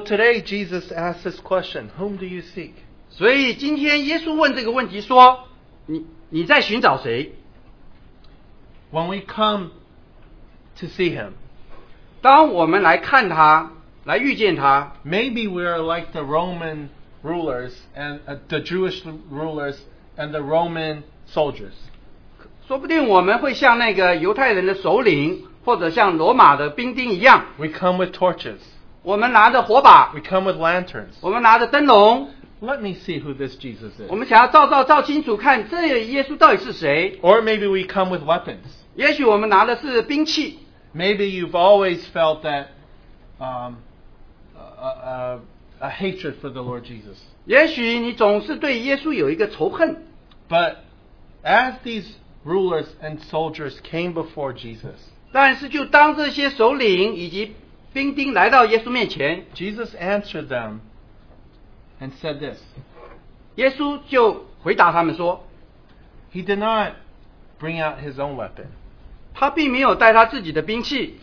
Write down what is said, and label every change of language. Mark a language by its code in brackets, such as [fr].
[en] today Jesus asks this question, whom do you seek? [zh] 所以今天耶稣问这个问题说,你在寻找谁? [en] When we come to see him, [zh] 当我们来看他,来遇见他, [en] maybe we are like the Roman rulers and the Jewish rulers and the Roman soldiers. [zh] 说不定我们会像那个犹太人的首领或者像罗马的兵丁一样, [en] we come with torches. [zh] 我们拿着火把, [en] we come with lanterns. [zh] 我们拿着灯笼, [en] let me see who this Jesus is. [zh] 我们想要照清楚看这耶稣到底是谁。 [en] Or maybe we come with weapons. [zh] 也许我们拿的是兵器。 [en] Maybe you've always felt that a hatred for the Lord Jesus. [zh] 也许你总是对耶稣有一个仇恨。 [en] But as these rulers and soldiers came before Jesus, [zh] 但是就当这些首领以及兵丁来到耶稣面前, [en] Jesus answered them and said this. [zh] 耶稣就回答他们说, [en] he did not bring out his own weapon. [zh] 他并没有带他自己的兵器,